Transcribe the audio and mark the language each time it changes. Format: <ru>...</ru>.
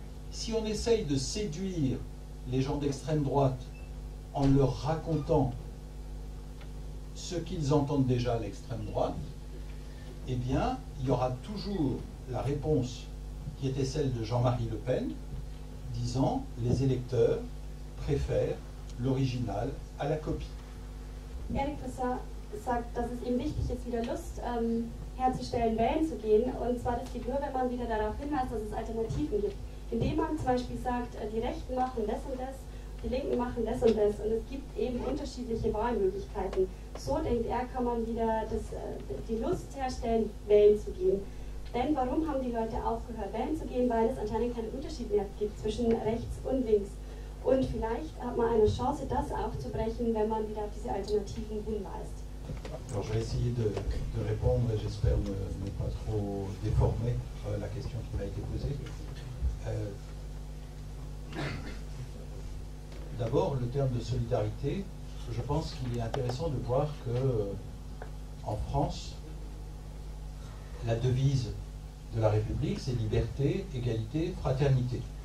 <fr>Si on essaye de séduire les gens d'extrême droite en leur racontant ce qu'ils entendent déjà à l'extrême droite, eh bien, il y aura toujours la réponse qui était celle de Jean-Marie Le Pen, disant les électeurs préfèrent l'original à la copie.</fr> <de>Eric Fassin sagt, dass es ihm wichtig ist, wieder Lust herzustellen, wählen zu gehen. Und zwar, das geht nur, wenn man wieder darauf hinweist, dass es Alternativen gibt. Indem man zum Beispiel sagt, die Rechten machen das und das, die Linken machen das und das. Und es gibt eben unterschiedliche Wahlmöglichkeiten. So denkt er, kann man wieder die Lust herstellen, wählen zu gehen. Denn warum haben die Leute aufgehört, wählen zu gehen? Weil es anscheinend keinen Unterschied mehr gibt zwischen rechts und links. Und vielleicht hat man eine Chance, das aufzubrechen, wenn man wieder auf diese Alternativen hinweist.</de> <fr>Alors, je vais essayer de répondre, et j'espère ne pas trop déformer la question qui m'a été posée. D'abord, le terme de solidarité, je pense qu'il est intéressant de voir que en France, la devise de la République, c'est liberté, égalité, fraternité.</fr>